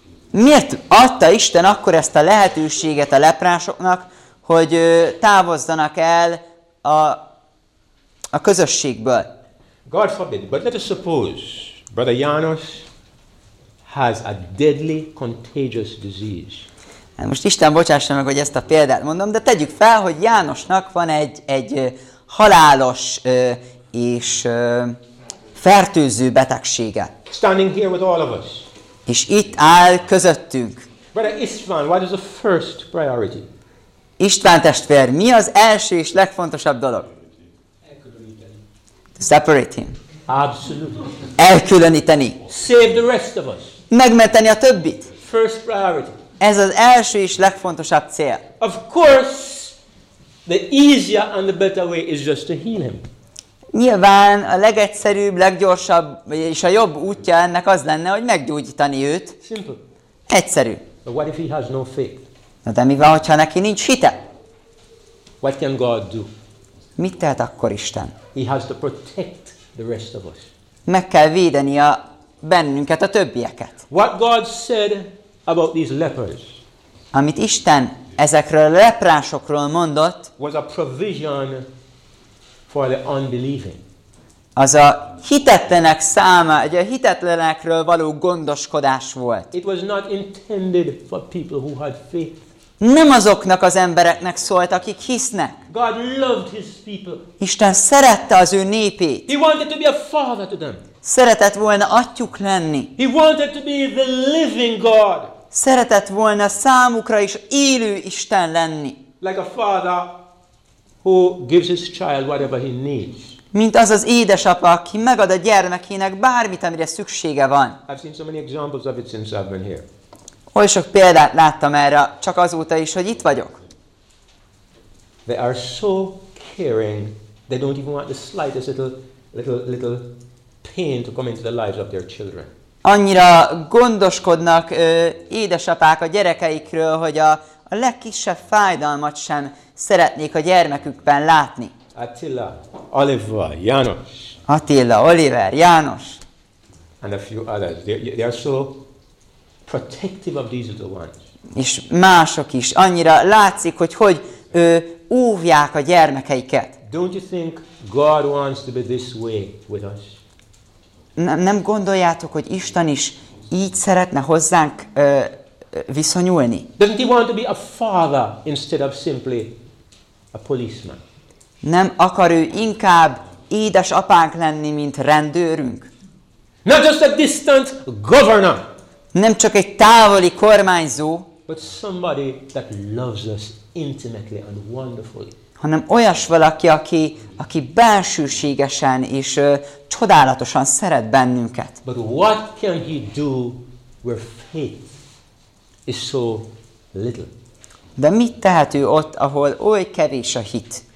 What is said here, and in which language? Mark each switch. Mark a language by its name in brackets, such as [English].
[Hungarian] Miért adta Isten akkor ezt a lehetőséget a leprásoknak, hogy távozzanak el a közösségből? [English] God forbid, but let us suppose Brother Janos has a deadly contagious disease. [Hungarian] Most Isten bocsássa meg, hogy ezt a példát mondom, de tegyük fel, hogy Jánosnak van egy halálos és fertőző betegsége. [English] Standing here with all of us. [Hungarian] És itt áll közöttünk. [English] Brother István, what is the first priority? [Hungarian] István testvér, mi az első és legfontosabb dolog? Elkülöníteni. [English] Separate him. Absolutely. [Hungarian] Elkülöníteni. [English] Save the rest of us. [Hungarian] Megmenteni a többit. [English] First priority. [Hungarian] Ez az első és legfontosabb cél. [English] Of course, the easier and the better way is just to heal him. [Hungarian] Nyilván a legegyszerűbb, leggyorsabb és a jobb útja ennek az lenne, hogy meggyógyítani őt. [English] Simple. [Hungarian] Egyszerű. [English] But what if he has no faith? [Hungarian] Na de mi van, hogyha neki nincs hite? [English] What can God do? [Hungarian] Mit tehet akkor Isten? [English] He has to protect the rest of us. [Hungarian] Meg kell védeni a bennünket, a többieket. [English] What God said about these lepers. [Hungarian] Amit Isten ezekről a leprásokról mondott, [English] was a provision for the unbelieving. [Hungarian] Az a hitetlenek száma, egy a hitetlenekről való gondoskodás volt. [English] It was not intended for people who had faith. [Hungarian] Nem azoknak az embereknek szólt, akik hisznek. [English] God loved his people. [Hungarian] Isten szerette az ő népét. [English] He wanted to be a father to them. [Hungarian] Szeretett volna atyuk lenni. [English] He wanted to be the living God. [Hungarian] Szeretett volna számukra is élő Isten lenni. [English] Like a father who gives his child whatever he needs. [Hungarian] Mint az az édesapa, aki megad a gyermekének bármit, amire szüksége van. [English] I've seen so many examples of it since I've been here. [Hungarian] Oly sok példát láttam erre, csak azóta is, hogy itt vagyok. [English] They are so caring, they don't even want the slightest little pain to come into the lives of their children. [Hungarian] Annyira gondoskodnak édesapák a gyerekeikről, hogy a legkisebb fájdalmat sem szeretnék a gyermekükben látni. Attila, Oliver, János. Attila, Oliver, János. [English] And a few others. They are so protective of these little ones. [Hungarian] És mások is. Annyira látszik, hogy óvják a gyermekeiket. [English] Don't you think God wants to be this way with us? [Hungarian] Nem gondoljátok, hogy Isten is így szeretne hozzánk viszonyulni? [English] Doesn't he want to be a father instead of simply a policeman? [Hungarian] Nem akar ő inkább édes apánk lenni, mint rendőrünk? [English] Not just a distant governor. [Hungarian] Nem csak egy távoli kormányzó. [English] But somebody that loves us intimately and wonderfully. [Hungarian] Hanem olyas valaki, aki belsőségesen és csodálatosan szeret bennünket. [English] But what can he do where faith is so little? [Hungarian] De mit tehet ő ott, ahol oly kevés a hit?